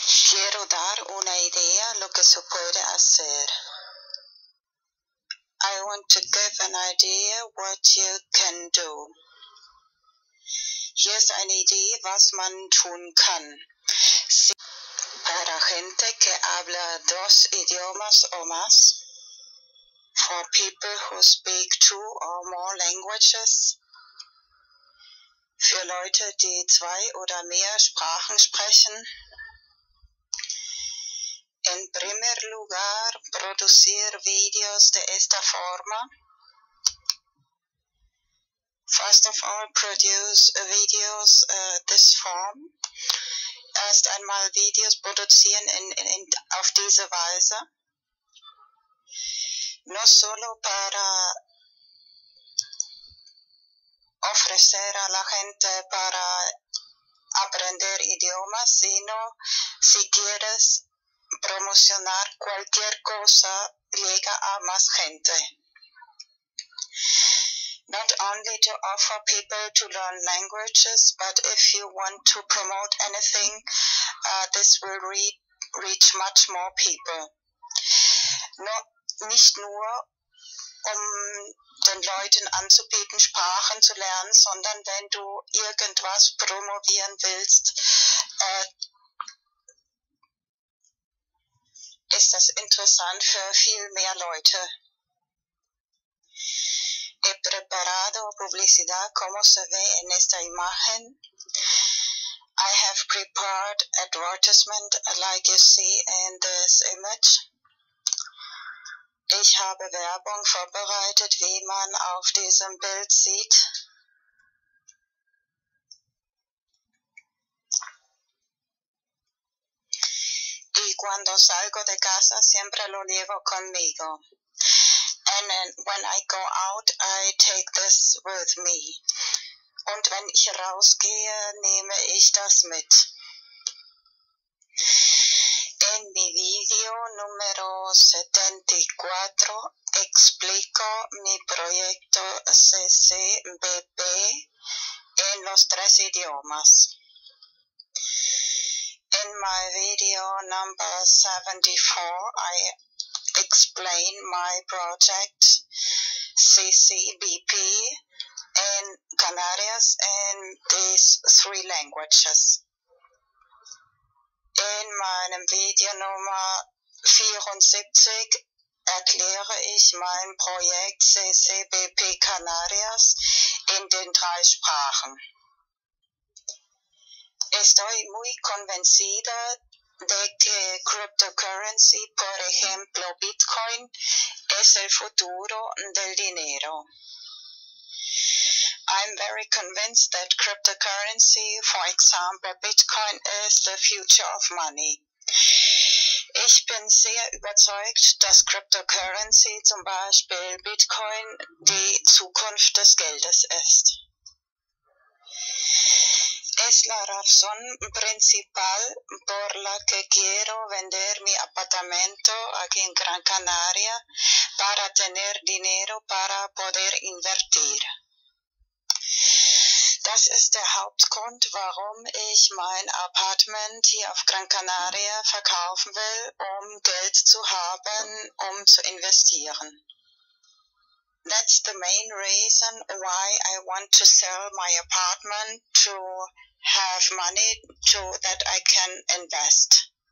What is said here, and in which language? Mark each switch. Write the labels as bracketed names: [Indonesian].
[Spanish] quiero dar una idea lo que se puede hacer. [English] I want to give an idea what you can do. [German] Hier ist eine Idee, was man tun kann. [Spanish] Si para gente que habla dos idiomas o más, [English] for people who speak two or more languages, [German] für Leute, die zwei oder mehr Sprachen sprechen, [Spanish] en primer lugar, producir videos de esta forma. [English] First of all, produce videos this form. [German] Erst einmal Videos produzieren in auf diese Weise. [Spanish] No solo para ofrecer a la gente para aprender idiomas, sino si quieres promocionar cualquier cosa llega a más gente. [English] Not only to offer people to learn languages, but if you want to promote anything, this will reach much more people. [German] Nicht nur, um den Leuten anzubieten, Sprachen zu lernen, sondern wenn du irgendwas promovieren willst, ist das interessant für viel mehr Leute. [Spanish] He preparado publicidad como se ve en esta imagen. [English] I have prepared advertisement like you see in this image. [German] Ich habe Werbung vorbereitet, wie man auf diesem Bild sieht. [Spanish] Y cuando salgo de casa, siempre lo llevo conmigo. [English] And then when I go out, I take this with me. [German] Und wenn ich rausgehe, nehme ich das mit. [Spanish] En mi video número 74 explico mi proyecto CCBP en los tres idiomas. [English] In my video number 74, I explain my project CCBP in Canarias in these three languages. [German] In meinem Video Nummer 74 erkläre ich mein Projekt CCBP Canarias in den drei Sprachen. [Spanish] Estoy muy convencida de que cryptocurrency, por ejemplo Bitcoin, es el futuro del dinero. [English] I'm very convinced that cryptocurrency, for example Bitcoin, is the future of money. [German] Ich bin sehr überzeugt, dass cryptocurrency, zum Beispiel Bitcoin, die Zukunft des Geldes ist. [Spanish] Es la razón principal por la que quiero vender mi apartamento aquí en Gran Canaria para tener dinero para poder invertir. [German] Das ist der Hauptgrund, warum ich mein Apartment hier auf Gran Canaria verkaufen will, um Geld zu haben, um zu investieren. [English] That's the main reason why I want to sell my apartment to have money so that I can invest.